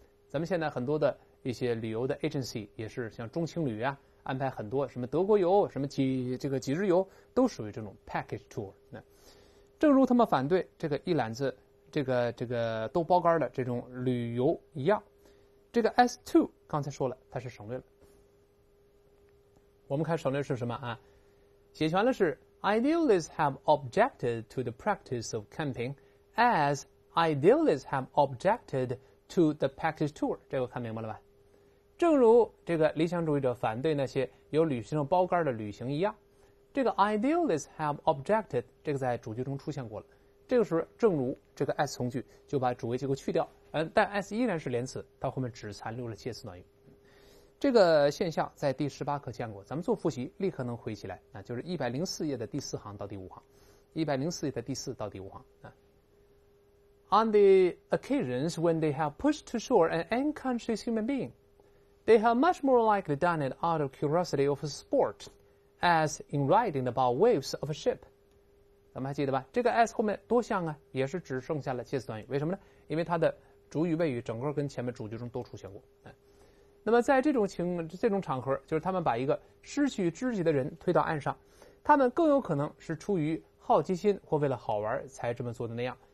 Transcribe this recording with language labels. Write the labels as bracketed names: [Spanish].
[Chinese] 咱们现在很多的一些旅游的 agency 也是像中青旅啊，安排很多什么德国游、什么几日游，都属于这种 package tour。那正如他们反对这个一揽子这个都包干的这种旅游一样，这个 S2 刚才说了，它是省略了。我们看省略是什么啊？写全了是 [English] idealists have objected to the practice of camping as idealists have objected to the package tour。 [Chinese] 这个看明白了吧？正如这个理想主义者反对那些由旅行社包干的旅行一样，这个 [English] idealists have objected [Chinese] 这个在主句中出现过了。这个时候正如这个 S 从句就把主谓结构去掉，但 S 依然是连词，到后面只残留了介词短语。这个现象在第18课见过，咱们做复习立刻能回起来，那就是104页的第4行到第5行，104页的第4到第5行啊。 [English] On the occasions when they have pushed to shore an unconscious human being, they have much more likely done it out of curiosity of a sport, as in riding about waves of a ship. [Chinese] 咱们还记得吧？这个 as 后面多像啊，也是只剩下了介词短语。为什么呢？因为它的主语谓语整个跟前面主句中都出现过。那么在这种场合，就是他们把一个失去知己的人推到岸上，他们更有可能是出于好奇心或为了好玩才这么做的那样。